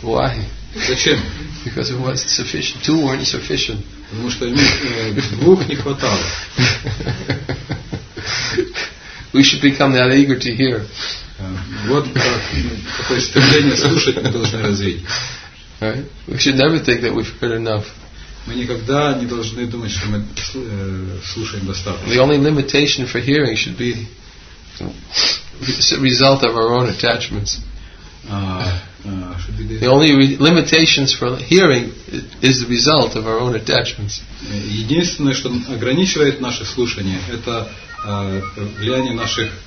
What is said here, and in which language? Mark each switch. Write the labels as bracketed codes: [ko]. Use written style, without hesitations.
[en] Why? [ru] Зачем? [en] Because it wasn't sufficient. Two weren't sufficient. [ru] Потому что ему двух не хватало. [en] We should become that eager to hear. [ru] Вот какое стремление слушать мы должны развить. [en] We should never think that we've heard enough. [ru] Мы никогда не должны думать, что мы слушаем достаточно. [en] The only limitation for hearing should be the result of our own attachments. The only limitations for hearing is the result of our own attachments. [ru] Единственное, что ограничивает наше слушание, это влияние наших